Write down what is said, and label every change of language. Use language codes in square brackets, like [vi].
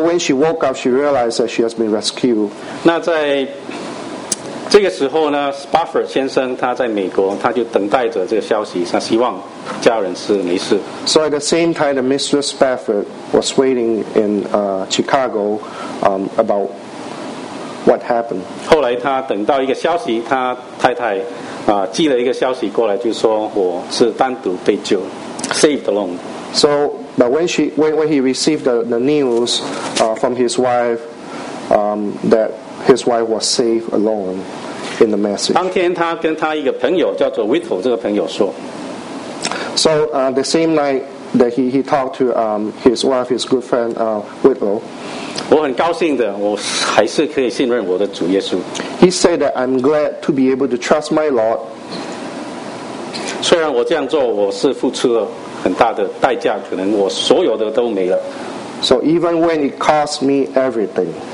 [en] when she woke up, she realized that she has been rescued. [zh] 那在这个时候呢， Spafford 先生他在美国，他就等待着这个消息，他希望家人是没事。 [en] So at the same time, the Mrs. Spafford was waiting in Chicago. About what happened. [zh] 后来他等到一个消息，他太太寄了一个消息过来，就说我是单独被救， [en] saved alone. So, but when he received the news from his wife, that his wife was saved alone in the message. [zh] 当天他跟他一个朋友叫做 Whittle 这个朋友说 [en] So the same night that he talked to his wife, his good friend Whittle, [zh] 我很高兴的，我还是可以信任我的主耶稣。 [en] He said that I'm glad to be able to trust my Lord. [zh] 虽然我这样做，我是付出了很大的代价，可能我所有的都没了。 [en] So even when it cost me everything.